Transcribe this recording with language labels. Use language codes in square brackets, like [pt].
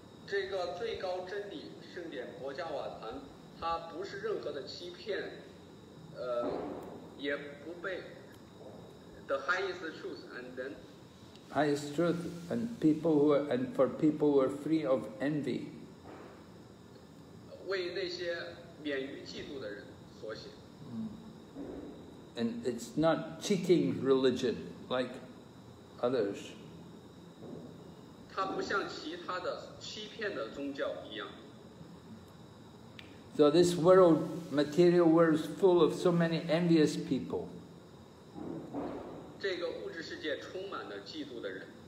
[en] This is the highest truth, Shengdian Bhojawatan. It is not a cheating religion. The highest truth, and then highest truth, and people who are, and for people who are free of envy. [zh] 为那些免于嫉妒的人所写。 [en] And it's not cheating religion like others. [zh] 它不像其他的欺骗的宗教一样。 [en] So this world, material world, is full of so many envious people. [zh] 这个物质世界充满了嫉妒的人。